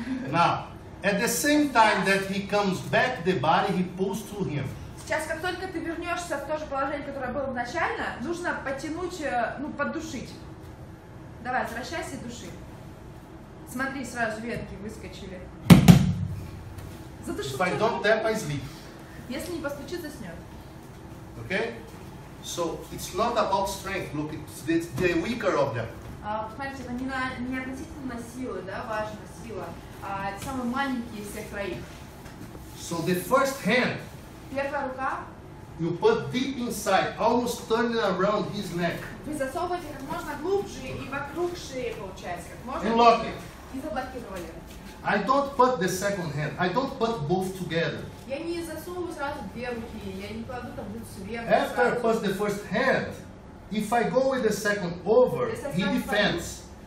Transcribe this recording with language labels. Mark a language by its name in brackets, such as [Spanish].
[English] Now, at the same time that he comes back the body, he pulls to him. [Russian] Сейчас, как только ты вернешься в то же положение, которое было изначально, нужно потянуть, ну, поддушить. Давай, возвращайся и души. Смотри, сразу ветки выскочили. Задушил. [English] If I don't tap, I sleep. [Russian] Если не постучит, заснет. [English] Okay? So, it's not about strength. Look, it's the weaker of them. [Russian] Смотрите, это не относительно силы, да, важно, сила. Это самый маленький из всех троих. [English] So, the first hand. [Russian] Первая рука. [English] You put deep inside, almost turning around his neck. [Russian] Вы засовываете как можно глубже и вокруг шеи получается, как можно. [English] And lock it. [Russian] И заблокировали. [English] I don't put the second hand. I don't put both together. [Russian] Я не засовываю сразу две руки. Я не кладу там вот сверху. [English] After [Russian] сразу. [English] I put the first hand, if I go with the second over, he defends.